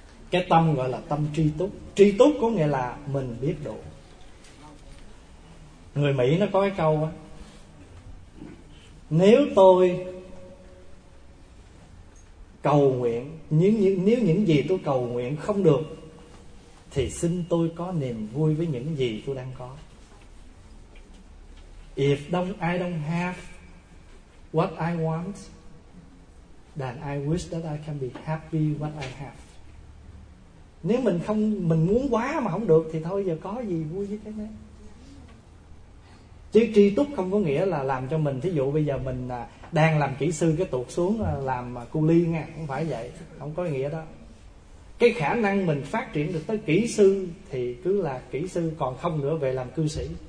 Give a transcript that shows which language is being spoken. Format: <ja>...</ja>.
<vi>Cái tâm gọi là tâm tri túc. Tri túc có nghĩa là mình biết độ. Người Mỹ nó có cái câu á, Nếu tôi cầu nguyện, nếu những gì tôi cầu nguyện không được, thì xin tôi có niềm vui với những gì tôi đang có.</vi> <en>If I don't have what I want, then I wish that I can be happy what I have.</en> <vi>Nếu mình không, mình muốn quá mà không được thì thôi, giờ có gì vui với cái đấy. Chứ tri túc không có nghĩa là làm cho mình, thí dụ bây giờ mình đang làm kỹ sư cái tuột xuống làm cu ly nha, không phải vậy, không có nghĩa đó. Cái khả năng mình phát triển được tới kỹ sư thì cứ là kỹ sư, còn không nữa về làm cư sĩ.</vi>